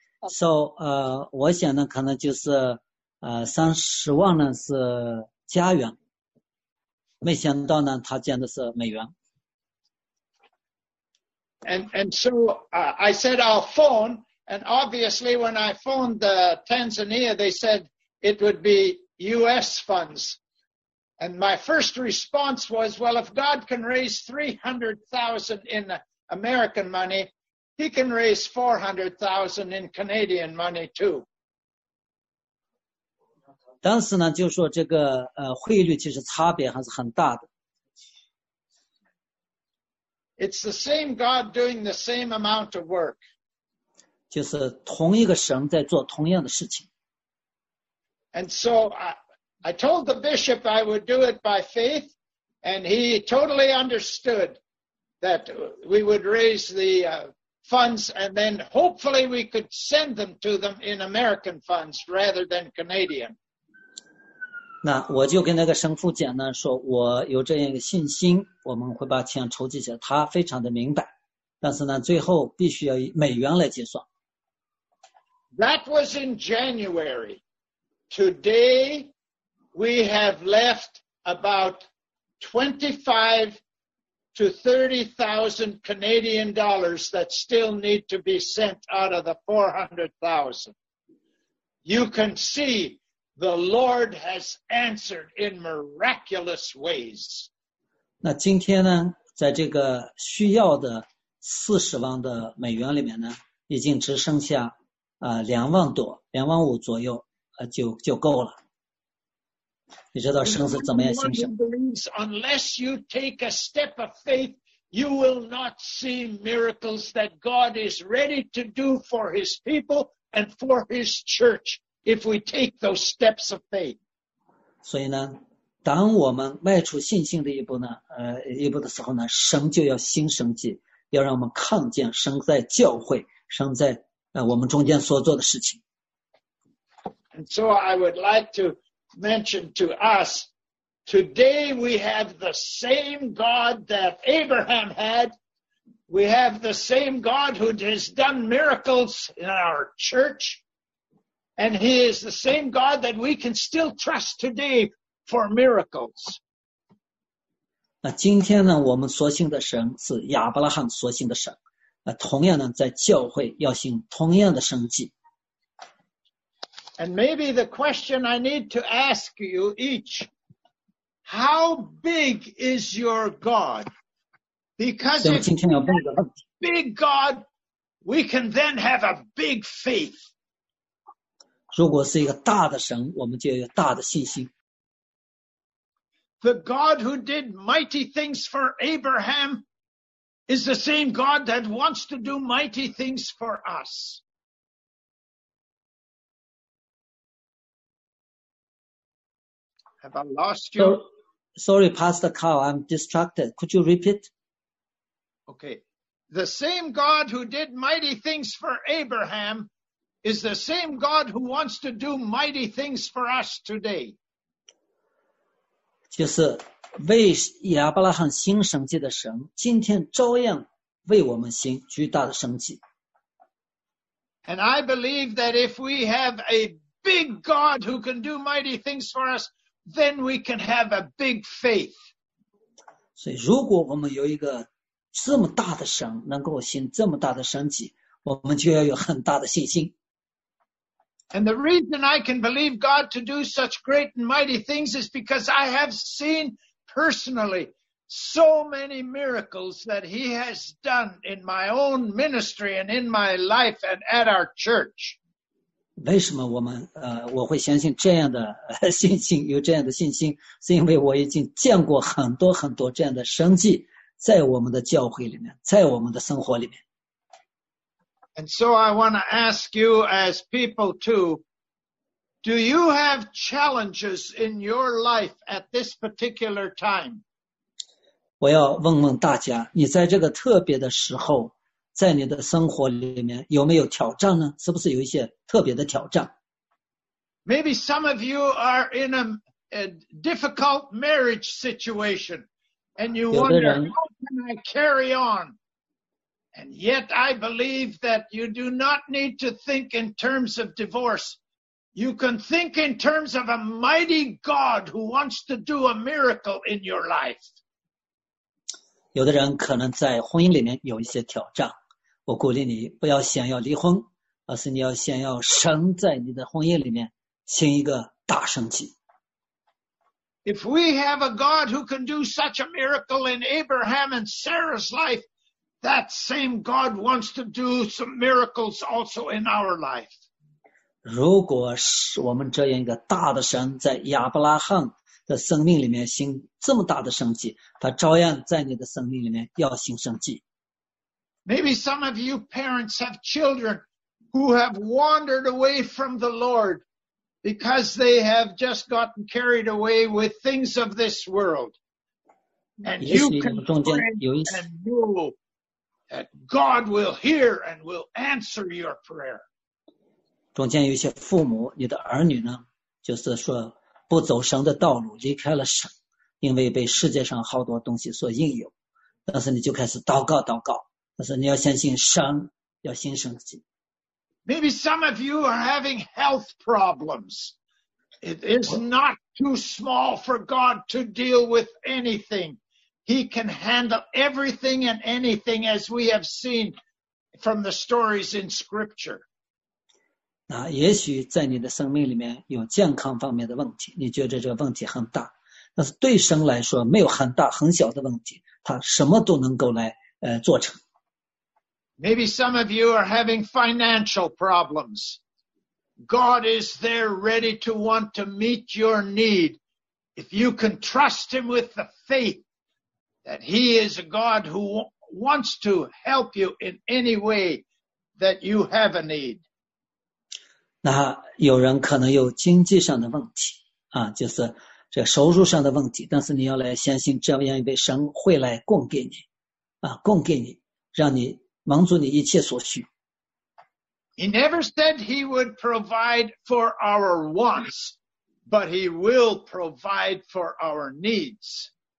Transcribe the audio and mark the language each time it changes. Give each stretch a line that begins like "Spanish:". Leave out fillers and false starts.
Chinese: So, 我想呢可能就是30万呢是加元，没想到呢他讲的是美元。
English: And so, I said I'll phone, and obviously when I phoned the Tanzania, they said it would be US funds. And my first response was, well, if God can raise 300,000 in American money,He can raise 400,000 in Canadian money too.
Chinese: 当时呢，就说这个汇率其实差别还是很大的。
English: It's the same God doing the same amount of work.
Chinese: 就是同一个神在做同样的事情。
English: And so I told the bishop I would do it by faith, and he totally understood that we would raise the. Funds and then hopefully we could send them to them in American funds rather than Canadian.
Chinese: 那我就跟那个神父讲呢，说我有这样一个信心，我们会把钱筹集起来。他非常的明白，但是呢，最后必须要以美元来结算。
English: That was in January. Today we have left about 25 to 30,000 Canadian dollars that still need to be sent out of the 400,000. You can see the Lord has answered in miraculous ways.
Chinese: 那今天呢，在这个需要的40万的美元里面呢，已经只剩下2万多、2万5左右，就够了。你知道神是怎么样行事？
English: Unless you take a step of faith, you will not see miracles that God is ready to do for His people and for His church if we take those steps of faith.
Chinese: 所以呢，当我们迈出信心的一步呢，一步的时候呢，神就要行神迹，要让我们看见神在教会，神在我们中间所做的事情。
English: And so I would like toMentioned to us today, we have the same God that Abraham had. We have the same God who has done miracles in our church, and He is the same God that we can still trust today for miracles.
Chinese: 那今天呢，我们所信的神是亚伯拉罕所信的神，那同样呢，在教会要行同样的神迹。
English: And maybe the question I need to ask you each, how big is your God? Because if you have a big God, we can then have a big faith.
Chinese: 如果是一个大的神，我们就有大的信心。
English: The God who did mighty things for Abraham is the same God that wants to do mighty things for us. Have I lost you? Sorry, Pastor Carl, I'm distracted. Could you repeat? Okay. The same God who did mighty things for Abraham is the same God who wants to do mighty things for us today.
Chinese: 就是为亚伯拉罕兴神迹的神，今天照样为我们兴巨大的神迹。
English: And I believe that if we have a big God who can do mighty things for us, then we can have a big faith.
Chinese: 所以如果我们有一个这么大的神，能够行这么大的神迹，我们就要有很大的信心。
English: And the reason I can believe God to do such great and mighty things is because I have seen personally so many miracles that he has done in my own ministry and in my life and at our church.
Chinese: 为什么我会相信这样的信心，有这样的信心，是因为我已经见过很多很多这样的神迹在我们的教会里面，在我们的生活里面。
English: And so I want to ask you as people too, do you have challenges in your life at this particular time?
Chinese: 我要问问大家，你在这个特别的时候，在你的生活里面有没有挑战呢？是不是有一些特别的挑战？
English: Maybe some of you are in a difficult marriage situation, and you wonder, how can I carry on? And yet I believe that you do not need to think in terms of divorce. You can think in terms of a mighty God who wants to do a miracle in your life.
Chinese: 有的人可能在婚姻里面有一些挑战。我鼓励你不要想要离婚，而是你要想要神在你的婚姻里面行一个大神迹。
English: If we have a God who can do such a miracle in Abraham and Sarah's life,That same God wants to do some miracles also in our life.
Chinese: 如果是我们这样一个大的神在亚伯拉罕的生命里面行这么大的神迹，他照样在你的生命里面要行神迹。
English: Maybe some of you parents have children who have wandered away from the Lord because they have just gotten carried away with things of this world. And you can pray and know. That God will hear and will answer your prayer.
Chinese: 中间有一些父母，你的儿女呢，就是说不走神的道路，离开了神，因为被世界上好多东西所引诱。但是你就开始祷告祷告，但是你要相信神，要信神迹。
English: Maybe some of you are having health problems. It is not too small for God to deal with anything. He can handle everything and anything as we have seen from the stories in scripture.
Chinese: 那也许在你的生命里面有健康方面的问题，你觉得这个问题很大，但是对神来说没有很大很小的问题，他什么都能够来做成。
English: Maybe some of you are having financial problems. God is there ready to want to meet your need. If you can trust him with the faith,That he is a God who wants to help you in any way that you have a need.
Chinese: 那有人可能有经济上的问题啊，就是这收入上的问题，但是你要来相信这样一位神会来供给你啊，供给你，让你满足你一切所需。
English: He never said he would provide for our wants, but he will provide for our needs.